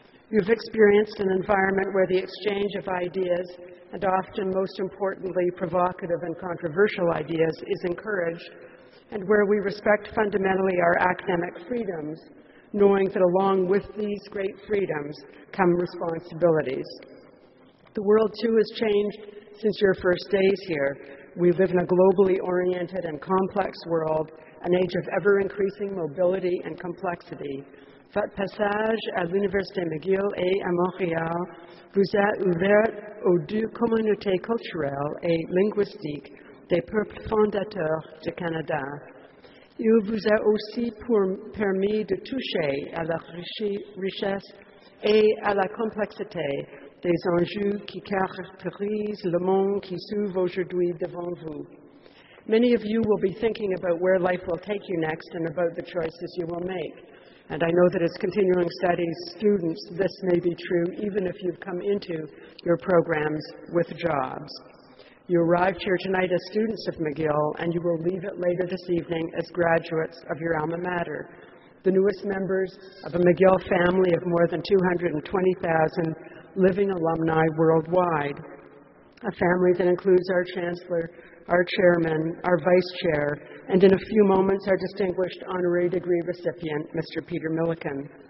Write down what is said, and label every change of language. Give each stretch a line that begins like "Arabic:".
English: You've experienced an environment where the exchange of ideas, and often, most importantly, provocative and controversial ideas, is encouraged, and where we respect fundamentally our academic freedoms, knowing that along with these great freedoms come responsibilities. The world, too, has changed since your first days here. We live in a globally oriented and complex world, an age of ever-increasing mobility and complexity.
French: Votre passage à l'Université McGill et à Montréal vous a ouvert aux deux communautés culturelles et linguistiques des peuples fondateurs du Canada. Il vous a aussi permis de toucher à la richesse et à la complexité des enjeux qui caractérisent le monde qui s'ouvre aujourd'hui devant vous.
English: Many of you will be thinking about where life will take you next and about the choices you will make. And I know that as continuing studies students, this may be true even if you've come into your programs with jobs. You arrived here tonight as students of McGill, and you will leave it later this evening as graduates of your alma mater, the newest members of a McGill family of more than 220,000 living alumni worldwide, a family that includes our chancellor, our chairman, our vice chair, and in a few moments, our distinguished honorary degree recipient, Mr. Peter Millikan.